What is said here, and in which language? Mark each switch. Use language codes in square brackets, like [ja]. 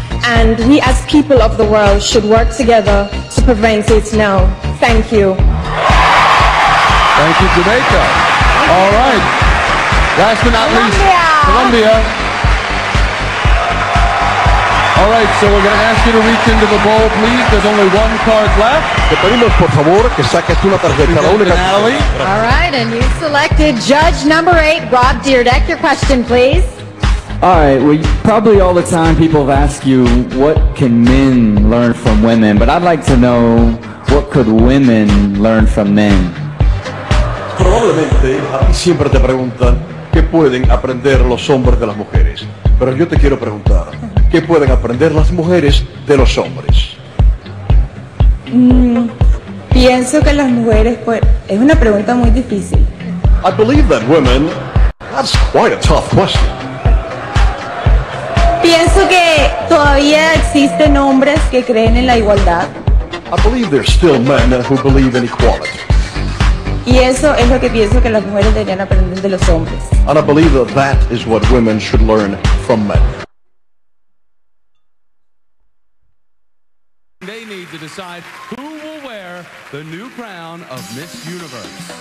[en] And we as people of the world should work together to prevent it now. Thank you. Thank you, Jamaica. All right. Last but not least, Colombia. All right, so we're going to ask you to reach into the bowl, please. There's only one card left. [es] Te pedimos, por favor, que saques tú la tarjeta. La única. [en] All right, and you selected judge number 8, Rob Dyrdek. Your question, please. All right, well, probably all the time people have asked you, what can men learn from women? But I'd like to know, what could women learn from men? [es] Probablemente a ti siempre te preguntan qué pueden aprender los hombres de las mujeres. Pero yo te quiero preguntar, ¿qué pueden aprender las mujeres de los hombres? Pienso que las mujeres, pues, es una pregunta muy difícil. [en] I believe that women, that's quite a tough question. [es] Pienso que todavía existen hombres que creen en la igualdad. [en] I believe there's still men who believe in equality. [es] Y eso es lo que pienso que las mujeres deberían aprender de los hombres. [en] And I believe that that is what women should learn from men. They need to decide who will wear the new crown of Miss Universe.